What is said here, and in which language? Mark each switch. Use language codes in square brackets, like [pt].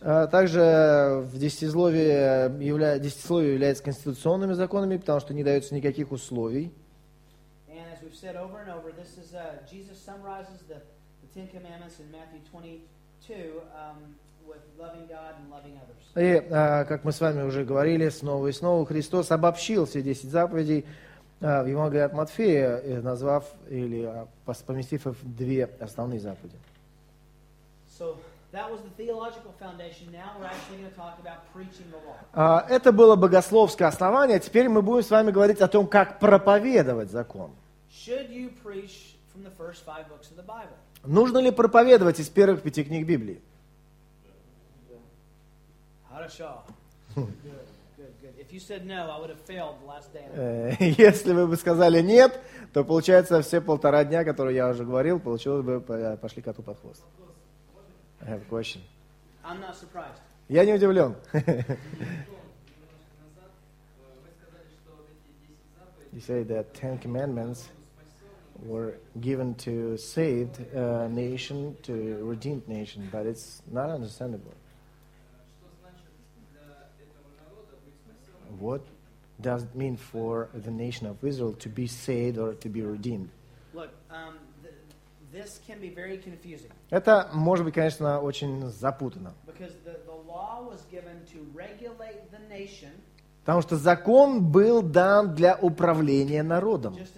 [ru] Также в десятисловии является конституционными законами, потому что не дается никаких условий. [en] And as we've said over and over, this is Jesus summarizes the Ten Commandments in Matthew 22 with loving God and loving others. [ru] И как мы с вами уже говорили, снова и снова Христос обобщил все 10 заповедей в Евангелии от Матфея, назвав или поместив их в две основные заповеди. [en] So that was the theological foundation. Now we're actually going to talk about preaching the law. [ru] Это было богословское основание. Теперь мы будем с вами говорить о том, как проповедовать закон. [en] Should you preach from the first five books of the Bible? [ru] Нужно ли проповедовать из первых пяти книг Библии? Хорошо. [en] Good. If you said no, I would have failed the last day. [ru] Если вы бы сказали нет, то получается все полтора дня, которые я уже говорил, получилось бы пошли коту под хвост. [en] I have a question. I'm not surprised. [ru] Я не удивлен. [en] You say that Ten Commandments were given to save a nation, to redeemed nation, but it's not understandable. What does it mean for the nation of Israel to be saved or to be redeemed? Look, this can be very confusing. [ru] Это может быть, конечно, очень запутанно. [en] Because the law was given to regulate the nation. [ru] Потому что закон был дан для управления народом.